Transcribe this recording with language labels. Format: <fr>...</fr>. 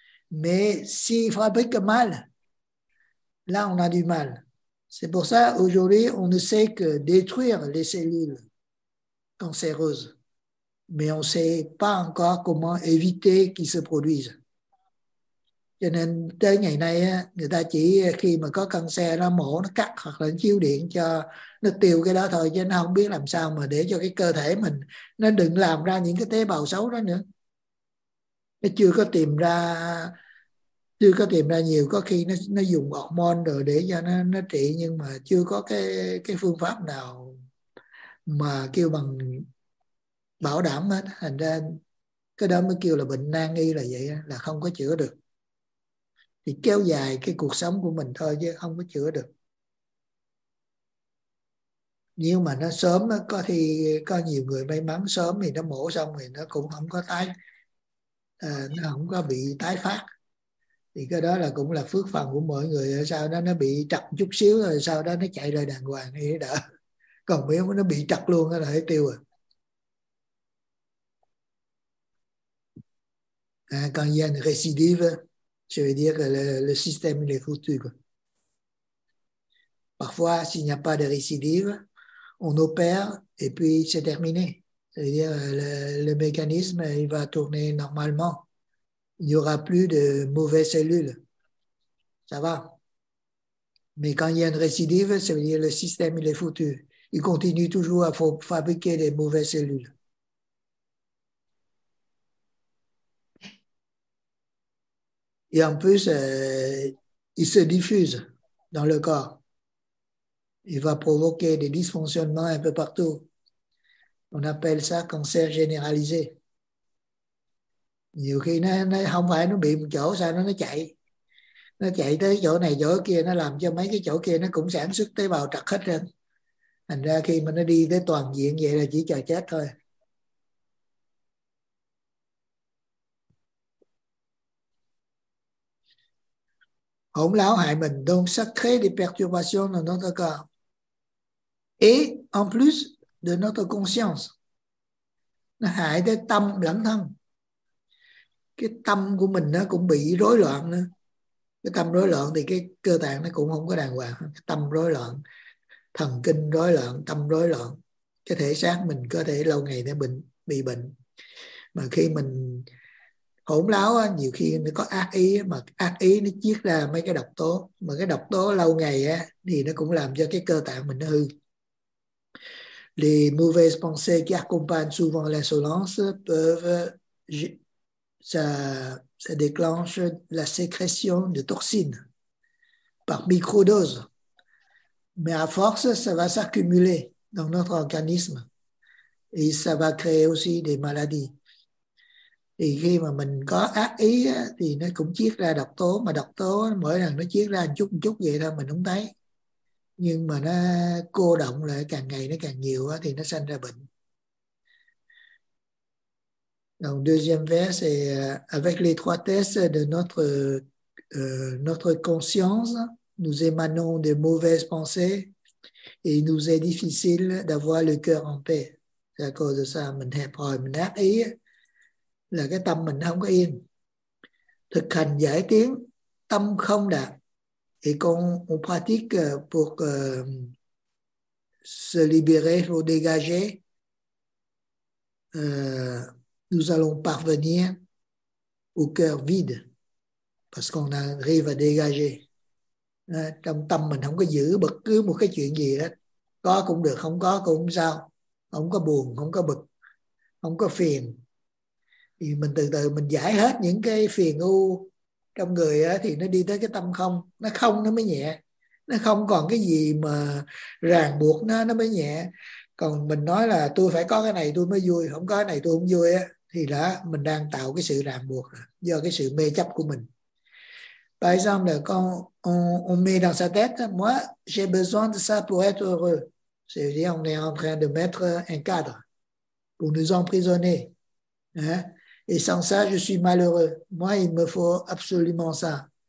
<fr>Mais s'il fabrique mal, là, on a du mal. C'est pour ça, aujourd'hui, on ne sait que détruire les cellules cancéreuses. Mais on ne sait pas encore comment éviter qu'ils se produisent.</fr> <vi>Cho nên tới ngày nay á, người ta chỉ khi mà có căn xe nó mổ, nó cắt hoặc là chiếu điện cho nó tiêu cái đó thôi, chứ nó không biết làm sao mà để cho cái cơ thể mình nó đừng làm ra những cái tế bào xấu đó nữa. Nó chưa có tìm ra nhiều, có khi nó dùng hormone rồi để cho nó trị, nhưng mà chưa có cái phương pháp nào mà kêu bằng bảo đảm hết. Thành ra cái đó mới kêu là bệnh nan y, là vậy, là không có chữa được. Thì kéo dài cái cuộc sống của mình thôi chứ không có chữa được. Nếu mà nó sớm có thì có nhiều người may mắn sớm thì nó mổ xong thì nó cũng không có tái, nó không có bị tái phát. Thì cái đó là cũng là phước phần của mọi người. Sau đó nó bị trật chút xíu rồi sau đó nó chạy lại đàng hoàng thì đỡ. Còn nếu nó bị trật luôn là hết tiêu rồi.</vi> <fr>Còn y a une récidive, je veux dire que le système il est foutu. Parfois, s'il n'y a pas de récidive, on opère et puis c'est terminé. C'est-à-dire le mécanisme il va tourner normalement. Il n'y aura plus de mauvaises cellules. Ça va. Mais quand il y a une récidive, ça veut dire que le système il est foutu. Il continue toujours à fabriquer des mauvaises cellules. Et en plus, il se diffuse dans le corps. Il va provoquer des dysfonctionnements un peu partout. On appelle ça cancer généralisé.</fr> <vi>Nhiều khi nó không phải nó bị một chỗ, sao nó chạy. Nó chạy tới chỗ này, chỗ kia, nó làm cho mấy cái chỗ kia nó cũng sản xuất tế bào trật hết rồi. Thành ra khi mà nó đi tới toàn diện vậy là chỉ chờ chết thôi. Hỗn láo hại mình,</vi> <fr>donc ça crée des perturbations dans notre corps. Et en plus de notre conscience,</fr> <vi>nó hại tới tâm lẫn thân. Cái tâm của mình nó cũng bị rối loạn nữa. Cái tâm rối loạn thì cái cơ tạng nó cũng không có đàng hoàng. Tâm rối loạn, thần kinh rối loạn, tâm rối loạn. Cái thể xác mình có thể lâu ngày nó bị bệnh. Mà khi mình hỗn láo á, nhiều khi nó có ác ý, mà ác ý nó chiết ra mấy cái độc tố. Mà cái độc tố lâu ngày á, thì nó cũng làm cho cái cơ tạng mình nó hư.</vi> <fr>Les mauvaises pensées qui accompagnent souvent l'insolence peuvent... Ça déclenche la sécrétion de toxines par microdose. Mais à force, ça va s'accumuler dans notre organisme. Et ça va créer aussi des maladies.</fr> <vi>Thì khi mà mình có ác ý á, thì nó cũng chiết ra độc tố, mà độc tố mỗi lần nó chiết ra chút chút vậy thôi mình không thấy, nhưng mà nó cô động lại càng ngày nó càng nhiều á, thì nó sanh ra bệnh.</vi> <fr>Donc deuxième vers c'est avec l'étroitesse de notre notre conscience, nous émanons de mauvaises pensées et il nous est difficile d'avoir le cœur en paix. C'est à cause de ça,</fr> <vi>mình hẹp hòi, mình ác ý là cái tâm mình không có yên. Thực hành giải tiến, tâm không đạt.</vi> <fr>Et quand on pratique pour se libérer, pour dégager, nous allons parvenir au cœur vide, parce qu'on arrive à dégager.</fr> <vi>Trong tâm mình không có giữ bất cứ một cái chuyện gì hết. Có cũng được, không có cũng sao. Không có buồn, không có bực, không có phiền. Thì mình từ từ mình giải hết những cái phiền ưu trong người á, thì nó đi tới cái tâm không. Nó không nó mới nhẹ. Nó không còn cái gì mà ràng buộc nó mới nhẹ. Còn mình nói là tôi phải có cái này tôi mới vui, không có cái này tôi không vui á, thì đó, mình đang tạo cái sự ràng buộc do cái sự mê chấp của mình.</vi> <fr>Par exemple, quand on met dans sa tête, moi, j'ai besoin de ça pour être heureux. C'est-à-dire, on est en train de mettre un cadre pour nous emprisonner. Hein? Et sans ça, je suis malheureux. Moi, il me faut absolument ça.</fr>